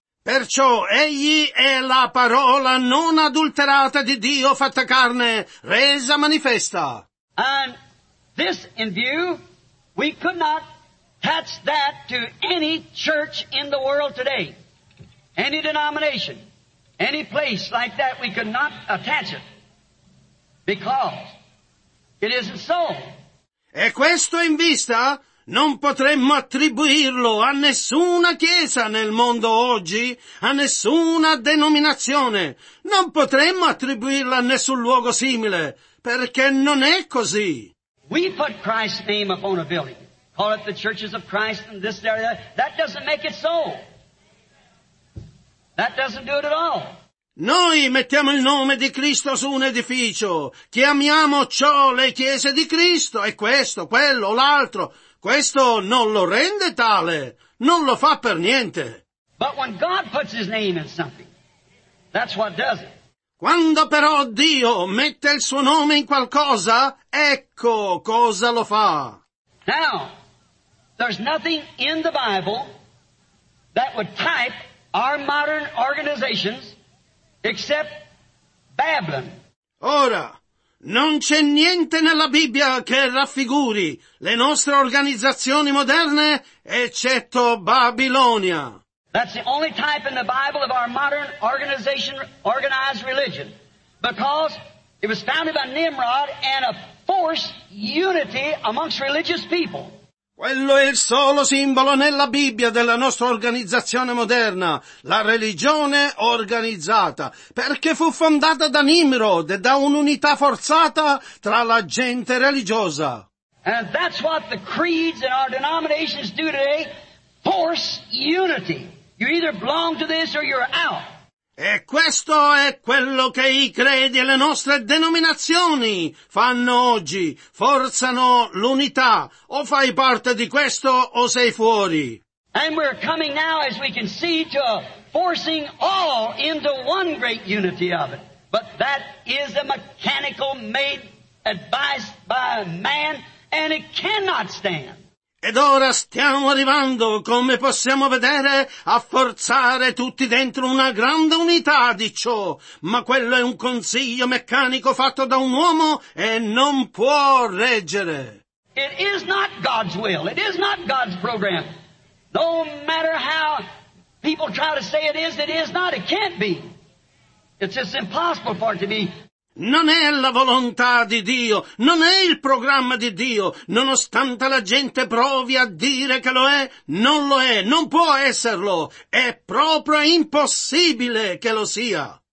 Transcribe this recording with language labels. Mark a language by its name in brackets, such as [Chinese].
[Italian] Perciò, egli è la parola non adulterata di Dio fatta carne, resa manifesta. [English] And this in view, we could not attach that to any church in the world today. Any denomination, any place like that, we could not attach it. Because it isn't so. [Italian] E questo in vista non potremmo attribuirlo a nessuna chiesa nel mondo oggi, a nessuna denominazione. Non potremmo attribuirla a nessun luogo simile, perché non è così. [English] We put Christ's name upon a building, call it the Churches of Christ and this area. That doesn't make it so. That doesn't do it at all. [Italian] Noi mettiamo il nome di Cristo su un edificio, chiamiamo ciò le chiese di Cristo, e questo, quello, l'altro, questo non lo rende tale, non lo fa per niente. [English] But when God puts his name in something, that's what does it. [Italian] Quando però Dio mette il suo nome in qualcosa, ecco cosa lo fa. [English] Now, there's nothing in the Bible that would type our modern organizations except Babylon. [Italian] Ora, Non c'è niente nella Bibbia che raffiguri le nostre organizzazioni moderne, eccetto Babilonia. [English] That's the only type in the Bible of our modern organization, organized religion, because it was founded by Nimrod and a forced unity amongst religious people. [Italian] Quello è il solo simbolo nella Bibbia della nostra organizzazione moderna, la religione organizzata, perché fu fondata da Nimrod e da un'unità forzata tra la gente religiosa. [English] And that's what the creeds in our denominations do today, force unity. You either belong to this or you're out. [Italian] E questo è quello che i credi e le nostre denominazioni fanno oggi. Forzano l'unità. O fai parte di questo o sei fuori. [English] And we're coming now, as we can see, to forcing all into one great unity of it. But that is a mechanical made advice by man, and it cannot stand. [Italian] Ed ora stiamo arrivando, come possiamo vedere, a forzare tutti dentro una grande unità di ciò. Ma quello è un consiglio meccanico fatto da un uomo e non può reggere. [English] It is not God's will. It is not God's program. No matter how people try to say it is not. It can't be. It's just impossible for it to be. [Italian] Non è la volontà di Dio, non è il programma di Dio, nonostante la gente provi a dire che lo è, non può esserlo, è proprio impossibile che lo sia.